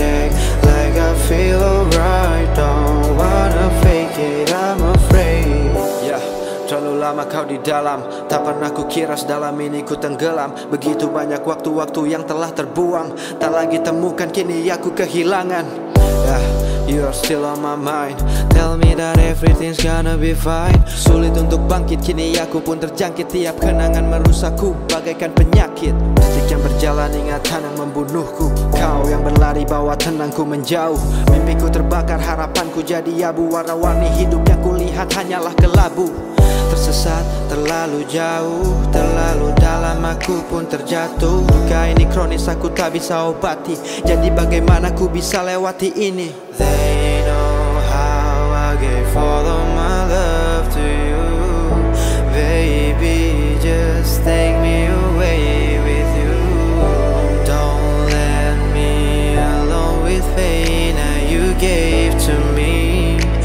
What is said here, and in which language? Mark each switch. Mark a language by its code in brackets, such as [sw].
[en] Act like I feel alright. Don't wanna fake it, I'm afraid. [id] Terlalu lama kau di dalam, tak pernah ku kira sedalam ini ku tenggelam. Begitu banyak waktu-waktu yang telah terbuang, tak lagi temukan kini aku kehilangan. [en] Yeah, you are still on my mind. Tell me that everything's gonna be fine. [id] Sulit untuk bangkit, kini aku pun terjangkit. Tiap kenangan merusakku bagaikan penyakit. Detik yang berjalan ingatan yang membunuhku. Kau yang berlari bawa tenangku menjauh. Mimpiku terbakar, harapanku jadi abu. Warna-warni hidup yang kulihat hanyalah kelabu. Tersesat terlalu jauh, terlalu dalam aku pun terjatuh. Luka ini kronis aku tak bisa obati. Jadi bagaimana ku bisa lewati ini? [en] They know how I gave all of my love to you. Baby, just take me away with you. Don't let me alone with pain that you gave to me.